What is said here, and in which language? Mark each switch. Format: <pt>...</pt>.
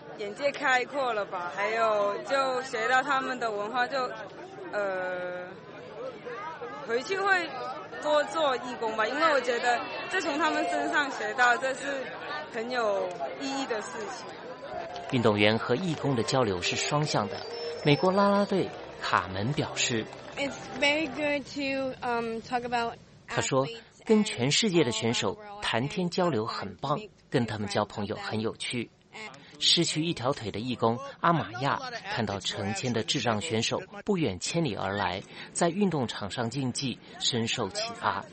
<zh>眼界开阔了吧，还有就学到他们的文化，就回去会多做义工吧，因为我觉得这从他们身上学到，这是很有意义的事情。运动员和义工的交流是双向的。美国啦啦队卡门表示</zh> <en>，It's very good to talk about。</en> <zh>他说，跟全世界的选手谈天交流很棒，跟他们交朋友很有趣。失去一条腿的义工阿玛亚看到成千的智障选手不远千里而来，在运动场上竞技，深受启发。</zh>